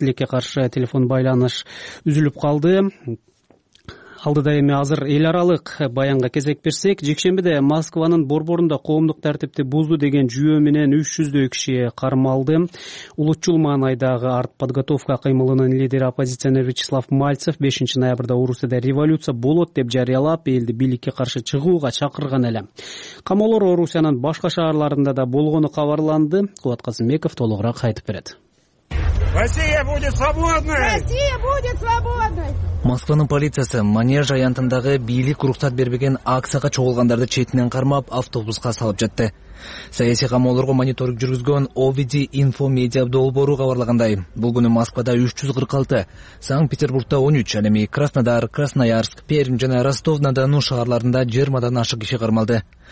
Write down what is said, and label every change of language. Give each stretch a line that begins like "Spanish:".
Kyrgyz: Тилекке каршы телефон байланыш үзүлүп калды. Алдыда эми азыр эл аралык баянга кезек берсек, жекшембиде Москванын борборунда коомдук тартипти бузду деген жүйө менен 300 кишиге кармалды. Улутчул маанайдагы артподготовка кыймылынын лидери оппозиционер Вячеслав Мальцев 5 ноябрда Орусияда революция болот деп жарыялап, элди бийликке каршы чыгууга чакырган эле. Камоолор Орусиянын башка шаарларында да болгону кабарланды. Кубат Касымбеков толугураак айтып берет.
Russian: Россия будет свободной! Россия будет свободной!
Kyrgyz: Москванын полициясы манеж аянтындагы бийлик уруксат бербеген акцияга чогулгандарды четинен кармап автобуска салып жатты. Саясий камоолорго мониторинг жүргүзгөн OVD Info Media долбоору кабарлагандай, бул күнү Москвада 346, Санкт-Петербургда 13, эми Краснодар, Красноярск, Пермь жана Ростов-на-Дону шаарларында 20 ашык киши кармалды.